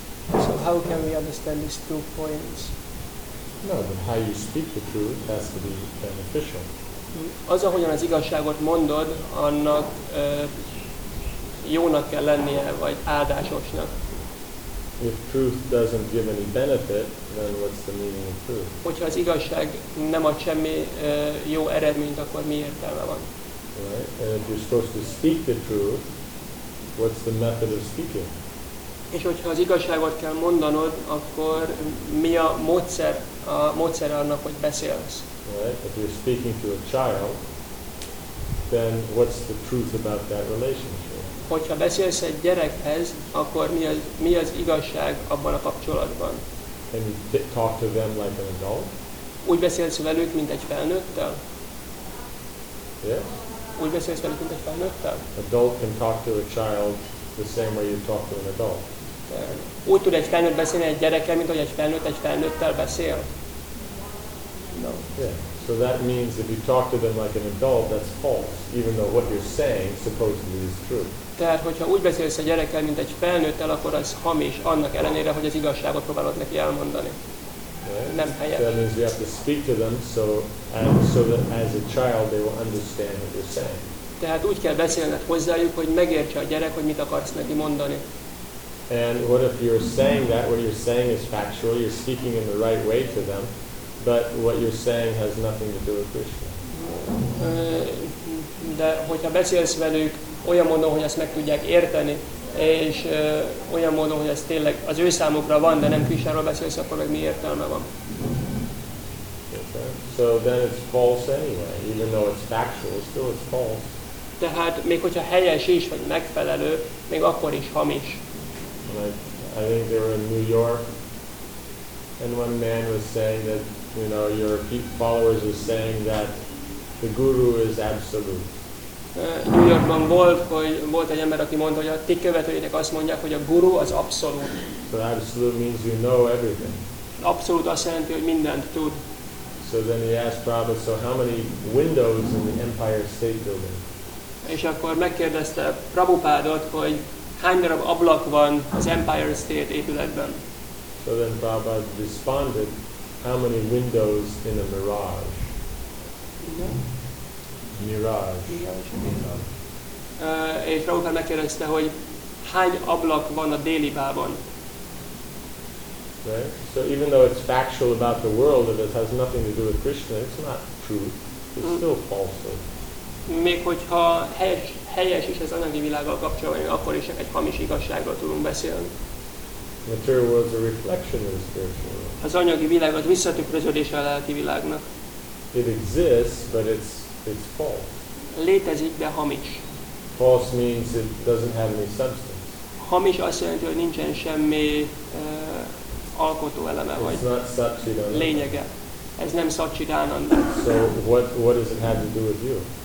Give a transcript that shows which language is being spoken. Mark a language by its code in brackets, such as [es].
[en] So how can we understand these two points? No, but how you speak the truth has to be beneficial. [hu] Az, ahogyan az igazságot mondod, annak jónak kell lennie, vagy áldásosnak. [en] If truth doesn't give any benefit, then what's the meaning of truth? [hu] Hogyha az igazság nem ad semmi jó eredményt, akkor mi értelme van? [en] right? And if you're supposed to speak the truth, what's the method of speaking? [hu] És hogyha az igazságot kell mondanod, akkor mi a módszer, annak, hogy beszélsz? [en] Right? If you're speaking to a child, then what's the truth about that relationship? [hu] Hogyha beszélsz egy gyerekhez, akkor mi az igazság abban a kapcsolatban? [en] Can you talk to them like an adult? [hu] Úgy beszélsz velük, mint egy felnőttel? [en] Yes. [hu] Úgy beszélsz velük, mint egy felnőttel? [en] Adult can talk to a child the same way you talk to an adult. [hu] Úgy tud egy felnőtt beszélni egy gyerekkel, mint ahogy egy felnőttel beszél? [en] No. Yeah. So that means if you talk to them like an adult, that's false, even though what you're saying supposedly is true. [hu] Tehát, hogyha úgy beszélsz a gyerekkel, mint egy felnőttel, akkor az hamis, annak ellenére, hogy az igazságot próbálod neki elmondani. [en] Right. [hu] Nem helyes. [en] That means you have to speak to them so that as a child they will understand what you're saying. [hu] Tehát úgy kell beszélned hozzájuk, hogy megértse a gyerek, hogy mit akarsz neki mondani. [en] And what if you're saying that what you're saying is factual, you're speaking in the right way to them, but what you're saying has nothing to do with Krishna. [hu] De hogyha beszélsz velük olyan módon, hogy ezt meg tudják érteni, és olyan módon, hogy ez tényleg az ő számukra van, de nem Krishnáról beszélsz, akkor meg mi értelme van? [en] Okay. So then it's false anyway, even though it's factual, still it's false. [hu] Tehát még hogyha helyes is, vagy megfelelő, még akkor is hamis. [en] I think they were in New York, and one man was saying that, you know, your followers are saying that the guru is absolute. [hu] New Yorkban volt egy ember, aki mondta, hogy a ti követőjétek azt mondják, hogy a guru az abszolút. [en] So absolute means you know everything. [hu] Abszolút azt jelenti, hogy mindent tud. [en] So then he asked Prabhupada, so how many windows in the Empire State Building? [hu] És akkor megkérdezte Prabhupádot, hogy hány darab ablak van az Empire State épületben. [en] So then Prabhupada responded, how many windows in a mirage? Mirage. [hu] És Prabhupád megkérdezte, hogy hány ablak van a déli bábon. [en] Right? So even though it's factual about the world, that it has nothing to do with Krishna, it's not true. It's still false. [hu] Még hogyha helyes is az anyagi világgal kapcsolatban, akkor is egy hamis igazságról tudunk beszélni. [en] Material world is a reflection of the spiritual world. [hu] Az anyagi világ az visszatükröződése a lelki világnak. [en] It exists, but it's false. [hu] Létezik, de hamis. [en] False means it doesn't have any substance. [hu] Hamis azt jelenti, hogy nincsen semmi alkotó eleme, [en] it's [hu] vagy [en] not Satchidananda. [hu] Lényege. Ez nem Satchidananda. [en] So what does it have to do with you?